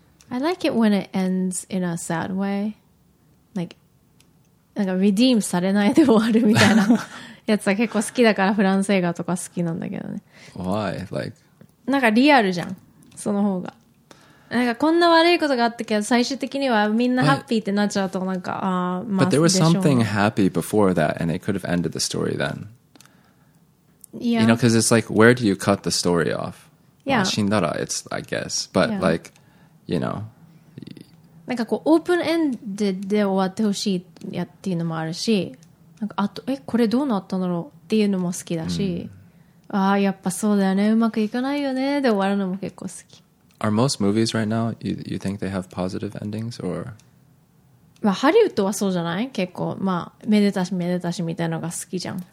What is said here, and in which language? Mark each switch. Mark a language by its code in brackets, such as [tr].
[en] I like it when it ends in a sad way. [ja] Like, なんか redeem されないで終わるみたいなやつは結構好きだからフランス映画とか好きなんだけどね。 [en] Why? Like... [ja] なんかリアルじゃん。その方が。なんかこんな悪いことがあったけど最終的にはみんなハッピーってなっちゃうとなんか [en] But, [ja] あまあ、 [en] But there was something happy before that and it could have ended the story then. Yeah. You know, because it's like, where do you cut the story off? Yeah. 死んだら it's, I guess. But、yeah. like, you know. [ja] なんかこうオープンエンドで終わってほしいやっていうのもあるし、なんかあと、え、これどうなったんだろうっていうのも好きだし、mm. ああ、やっぱそうだよね。うまくいかないよね。で終わるのも結構好き。 [en] Are most movies right now, you think they have positive endings, or? [ja] まあ、ハリウッドはそうじゃない?結構、まあ、めでたしめでたしみたいなのが好きじゃん。